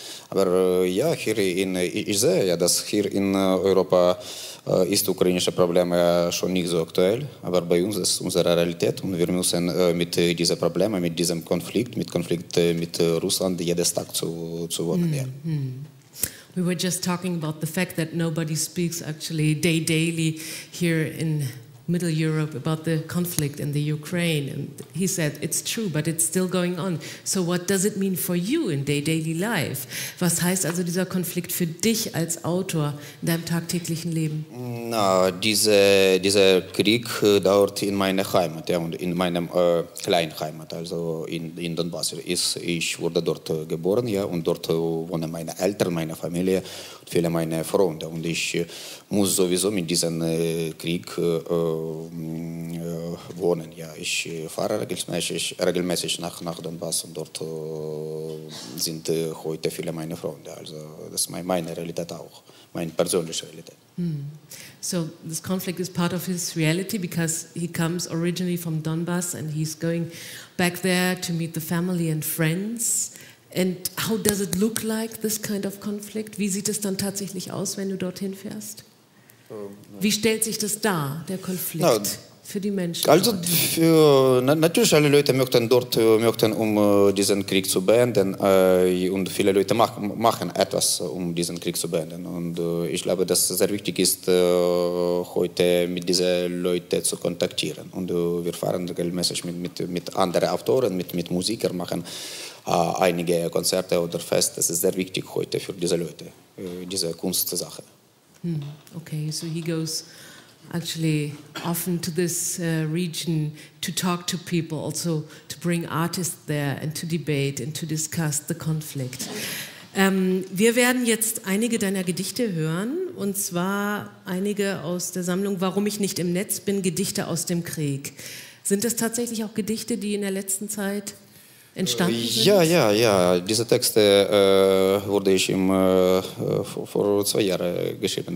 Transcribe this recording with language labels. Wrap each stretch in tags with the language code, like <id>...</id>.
<de>Aber ja, hier in, ich sehe ja, dass hier in Europa ist ukrainische Probleme schon nicht so aktuell. Aber bei uns ist unsere Realität und wir müssen mit dieser Probleme, mit diesem Konflikt, mit Konflikt mit Russland jedes Tag zu wohnen. Mm-hmm. Ja.</de> <en>We were just talking about the fact that nobody speaks actually daily here in Middle Europe about the conflict in the Ukraine. And he said, it's true, but it's still going on. So what does it mean for you in daily life?</en> <de>Was heißt also dieser Konflikt für dich als Autor in deinem tagtäglichen Leben? Na, dieser Krieg dauert in meiner Heimat, ja, und in meinem kleinen Heimat, also in Donbass. Ich wurde dort geboren, ja, und dort wohnen meine Eltern, meine Familie und viele meine Freunde. Und ich muss sowieso mit diesem Krieg wohnen. Ja. Ich fahre regelmäßig nach Donbass und dort sind heute viele meine Freunde. Also das ist meine Realität auch, meine persönliche Realität. Hmm.</de> <en>So this conflict is part of his reality because he comes originally from Donbass and he's going back there to meet the family and friends. And how does it look like, this kind of conflict?</en> <de>Wie sieht es dann tatsächlich aus, wenn du dorthin fährst? Wie stellt sich das dar, der Konflikt, na, für die Menschen? Also natürlich, alle Leute möchten diesen Krieg zu beenden und viele Leute machen etwas, um diesen Krieg zu beenden. Und ich glaube, dass es sehr wichtig ist, heute mit diesen Leuten zu kontaktieren. Und wir fahren regelmäßig mit anderen Autoren, mit Musikern, machen einige Konzerte oder Feste. Das ist sehr wichtig heute für diese Leute, diese Kunstsache.</de> <en>Okay, so he goes actually often to this region to talk to people, also to bring artists there and to debate and to discuss the conflict.</en> <de>Wir werden jetzt einige deiner Gedichte hören, und zwar einige aus der Sammlung Warum ich nicht im Netz bin, Gedichte aus dem Krieg. Sind das tatsächlich auch Gedichte, die in der letzten Zeit entstanden sind? Ja, ja, ja. Diese Texte wurde ich im, vor 2 Jahren geschrieben.</de>